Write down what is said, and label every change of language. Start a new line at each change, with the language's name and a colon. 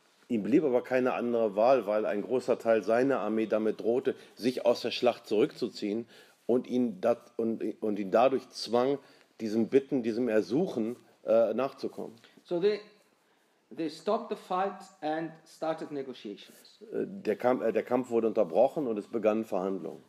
German: Ihm blieb aber keine andere Wahl, weil ein großer Teil seiner Armee damit drohte, sich aus der Schlacht zurückzuziehen und ihn dadurch zwang, diesem Bitten, diesem Ersuchen nachzukommen.
English: So they stopped the fight and started negotiations.
German: Der Kampf wurde unterbrochen und es begannen Verhandlungen.